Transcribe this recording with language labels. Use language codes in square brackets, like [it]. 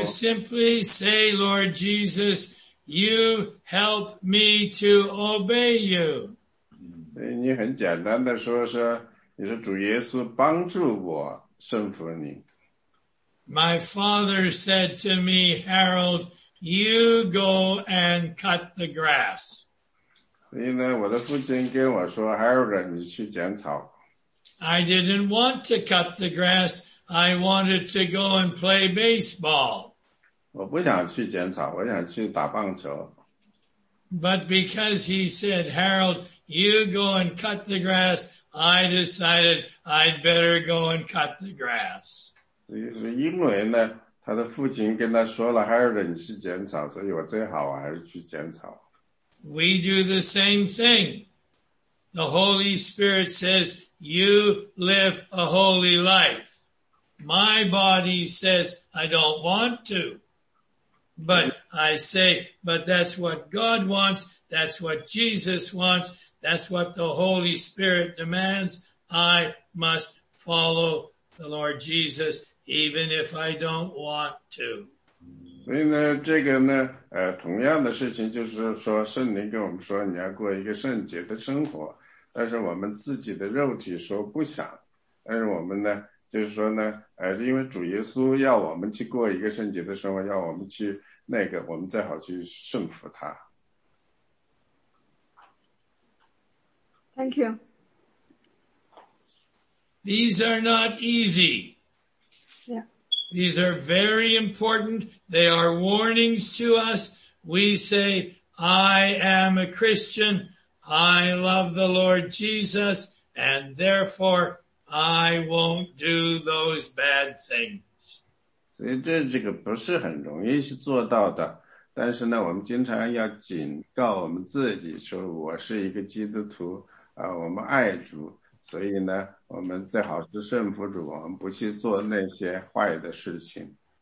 [en] You simply say, Lord Jesus,You help me to obey you. [zh] 你很简单的说，你说主耶稣帮助我顺服你。 [en] My father said to me, Harold, you go and cut the grass. [zh] 所以呢，我的父亲跟我说 ，Harold， 你去剪草。 [en] I didn't want to cut the grass. I wanted to go and play baseball. [zh] 我不想去剪草，我想去打棒球。 [en] But because he said, Harold, you go and cut the grass, I decided I'd better go and cut the grass. [zh] 是因为呢，他的父亲跟他说了 ，Harold， 你去剪草，所以我最好我还是去剪草。 [en] We do the same thing. The Holy Spirit says, you live a holy life. My body says, I don't want to. But I say, but that's what God wants. That's what Jesus wants. That's what the Holy Spirit demands. I must follow the Lord Jesus, even if I don't want to. [zh] 所以呢，这个呢，同样的事情就是说，圣灵跟我们说你要过一个圣洁的生活，但是我们自己的肉体说不想，但是我们呢，就是说呢，因为主耶稣要我们去过一个圣洁的生活，要我们去那个，我们最好去顺服他。 [en] Thank you. These are not easy. These are very important. They are warnings to us. We say, I am a Christian. I love the Lord Jesus. And therefore, I won't do those bad things. [zh] 所以这个不是很容易去做到的。但是呢，我们经常要警告我们自己说，我是一个基督徒，我们爱主。所以呢，我们最好是顺服主，我们不去做那些坏的事情。